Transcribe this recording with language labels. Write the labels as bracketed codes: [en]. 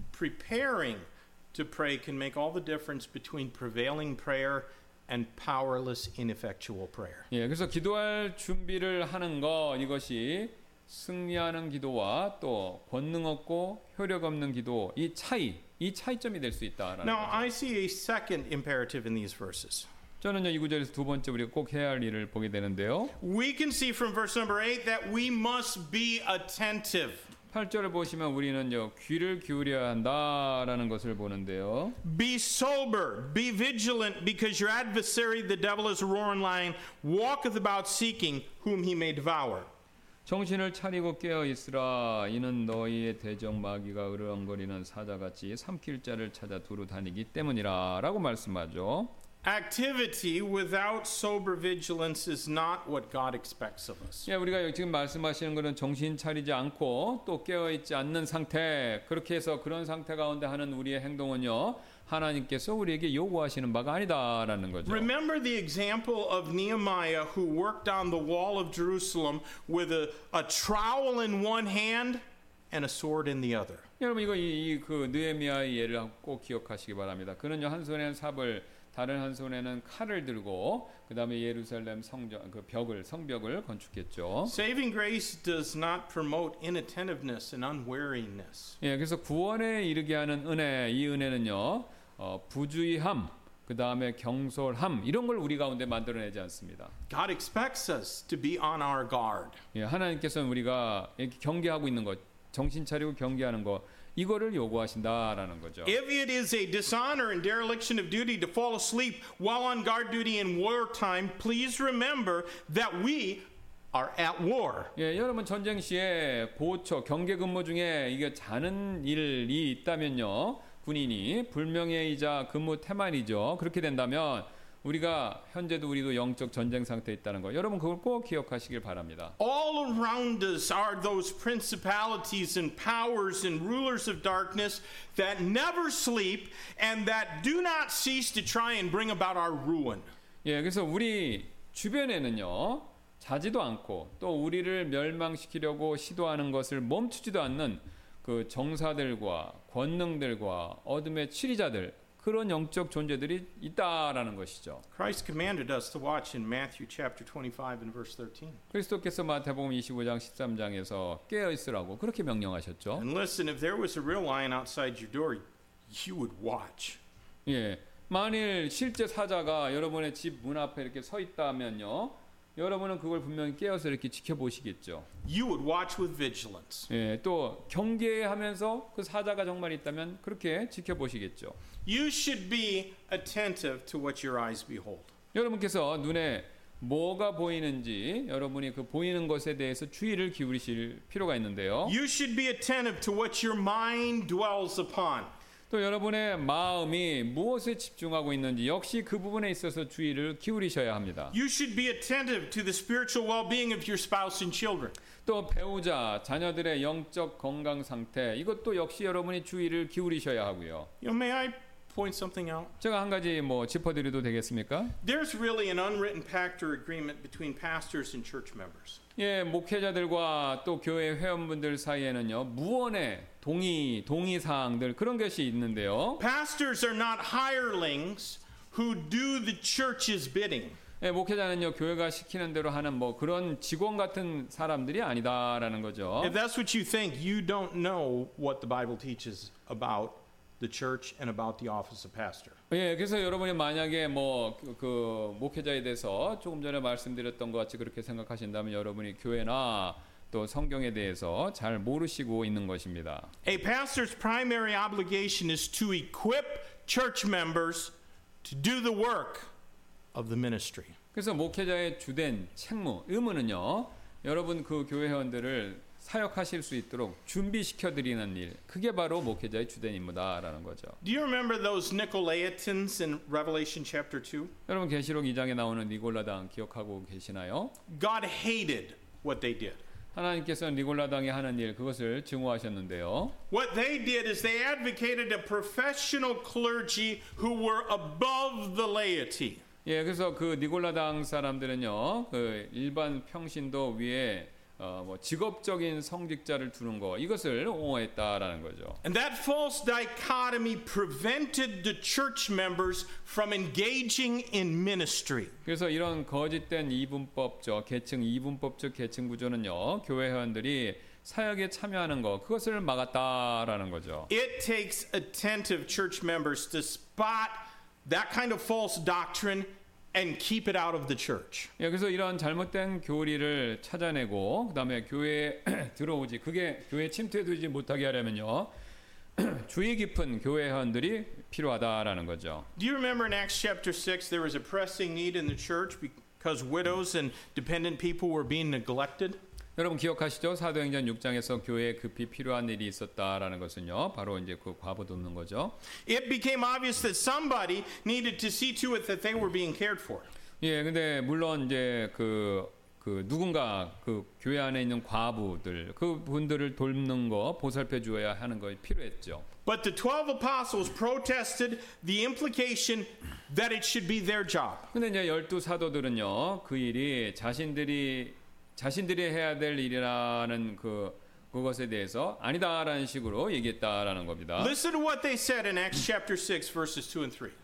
[en] Preparing to pray can make all the difference between prevailing prayer and powerless ineffectual prayer. [ko] 예, 그래서 기도할 준비를 하는 거 이것이 승리하는 기도와 또 권능 없고 효력 없는 기도 이 차이 이 차이점이 될 수 있다라는 [en] Now, [ko] 거죠. [en] I see a second imperative in these verses. [ko] 저는요, 이 구절에서 두 번째 우리가 꼭 해야 할 일을 보게 되는데요. [en] We can see from verse number 8 that we must be attentive. [ko] 8절을 보시면 우리는요, 귀를 기울여야 한다라는 것을 보는데요. [en] Be sober, be vigilant, because your adversary, the devil, is a roaring lion, walketh about seeking whom he may devour. [ko] 정신을 차리고 깨어 있으라. 이는 너희의 대적 마귀가 으르렁거리는 사자같이 삼킬 자를 찾아 두루 다니기 때문이라라고 말씀하죠. [en] Activity without sober vigilance is not what God expects of us. [ko] 예, 우리가 지금 말씀하시는 것은 정신 차리지 않고 또 깨어 있지 않는 상태. 그렇게 해서 그런 상태 가운데 하는 우리의 행동은요. 하나님께서 우리에게 요구하시는 바가 아니다라는 거죠. [en] Remember the example of Nehemiah who worked on the wall of Jerusalem with a trowel in one hand and a sword in the other. [ko] 여러분 이거 그 느헤미야의 예를 꼭 기억하시기 바랍니다. 그는요 한 손에는 삽을 다른 한 손에는 칼을 들고 그다음에 예루살렘 성전 그 벽을 성벽을 건축했죠. [en] Saving grace does not promote inattentiveness and unwariness. [ko] 예, 그래서 구원에 이르게 하는 은혜 이 은혜는요. 부주의함, 그다음에 경솔함 이런 걸 우리 가운데 만들어 내지 않습니다. [en] God expects us to be on our guard. [ko] 예, 하나님께서는 우리가 경계하고 있는 것 정신 차리고 경계하는 것 이거를 요구하신다라는 거죠. [en] If it is a dishonor and dereliction of duty to fall asleep while on guard duty in wartime, please remember that we are at war. [ko] 예, 여러분 전쟁 시에 보초 경계 근무 중에 이게 자는 일이 있다면요. 군인이 불명예이자 근무 태만이죠. 그렇게 된다면 우리가 현재도 우리도 영적 전쟁 상태에 있다는 거 여러분 그걸 꼭 기억하시길 바랍니다. [en] All around us are those principalities and powers and rulers of darkness that never sleep and that do not cease to try and bring about our ruin. [ko] 예, 그래서 우리 주변에는요. 자지도 않고 또 우리를 멸망시키려고 시도하는 것을 멈추지도 않는 그 정사들과 권능들과 어둠의 치리자들 그런 영적 존재들이 있다라는 것이죠. [en] Christ commanded us to watch in Matthew chapter 25 and verse 13. [ko] 그리스도께서 마태복음 25장 13장에서 깨어 있으라고 그렇게 명령하셨죠. [en] And listen, if there was a real lion outside your door, you would watch. [ko] 예, 만일 실제 사자가 여러분의 집 문 앞에 이렇게 서 있다면요. 여러분은 그걸 분명히 깨어서 이렇게 지켜보시겠죠. [en] You would watch with vigilance. [ko] 예, 또 경계하면서 그 사자가 정말 있다면 그렇게 지켜보시겠죠. [en] You should be attentive to what your eyes behold. [ko] 여러분께서 눈에 뭐가 보이는지 여러분이 그 보이는 것에 대해서 주의를 기울이실 필요가 있는데요. [en] You should be attentive to what your mind dwells upon. [ko] 또 여러분의 마음이 무엇에 집중하고 있는지 역시 그 부분에 있어서 주의를 기울이셔야 합니다. [en] You should be attentive to the spiritual well-being of your spouse and children. [ko] 또 배우자, 자녀들의 영적 건강 상태 이것도 역시 여러분이 주의를 기울이셔야 하고요. [en] You know, may I point something out? [ko] 제가 한 가지 뭐 짚어드려도 되겠습니까? [en] There's really an unwritten pact or agreement between pastors and church members. [ko] 예, 목회자들과 또 교회 회원분들 사이에는요. 무언의 동의 사항들 그런 것이 있는데요. [en] Pastors are not hirelings who do the church's bidding. [ko] 예, 목회자는요. 교회가 시키는 대로 하는 뭐 그런 직원 같은 사람들이 아니다라는 거죠. [en] If that's what you think, you don't know what the Bible teaches about the church and about the office of pastor. [ko] 예, 그래서 여러분이 만약에 뭐 그 목회자에 대해서 조금 전에 말씀드렸던 것 같이 그렇게 생각하신다면 여러분이 교회나 또 성경에 대해서 잘 모르시고 있는 것입니다. [en] A pastor's primary obligation is to equip church members to do the work of the ministry. [ko] 그래서 목회자의 주된 책무, 의무는요. 여러분 그 교회 회원들을 사역하실 수 있도록 준비시켜 드리는 일. 그게 바로 목회자의 주된 임무다라는 거죠. [en] Do you remember those Nicolaitans in Revelation chapter 2? [ko] 여러분 계시록 2장에 나오는 니골라당 기억하고 계시나요? [en] God hated what they did. [ko] 하나님께서 니골라당이 하는 일 그것을 증오하셨는데요. [en] What they did is they advocated a professional clergy who were above the laity. [ko] 예, 그래서 그 니골라당 사람들은요. 그 일반 평신도 위에 뭐 직업적인 성직자를 두는 거 이것을 옹호했다라는 거죠. [en] And that false dichotomy prevented the church members from engaging in ministry. [ko] 그래서 이런 거짓된 이분법적 계층 이분법적 계층 구조는요 교회 회원들이 사역에 참여하는 것, 그것을 막았다라는 거죠. [en] It takes attentive church members to spot that kind of false doctrine and keep it out of the church. [ko] 그래서 이런 잘못된 교리를 찾아내고 그다음에 교회에 들어오지 그게 교회 침투되지 못하게 하려면요. 주의 깊은 교회 회원들이 필요하다라는 거죠. [en] Do you remember in Acts chapter 6 there was a pressing need in the church because widows and dependent people were being neglected? [ko] 여러분 기억하시죠? 사도행전 6장에서 교회에 급히 필요한 일이 있었다라는 것은요. 바로 이제 그 과부 돕는 거죠. [en] It became obvious that somebody needed to see to it that they were being cared for. [ko] 예, 근데 물론 이제 그 누군가 그 교회 안에 있는 과부들 그분들을 돕는 거 보살펴 주어야 하는 것이 필요했죠. [en] But the 12 apostles protested the implication that it should be their job. [ko] 근데 이제 12 사도들은요. 그 일이 자신들이 해야 될 일이라는 그것에 대해서 아니다라는 식으로 얘기했다라는 겁니다. [en] Listen to what they said in Acts chapter 6 verses 2 and 3.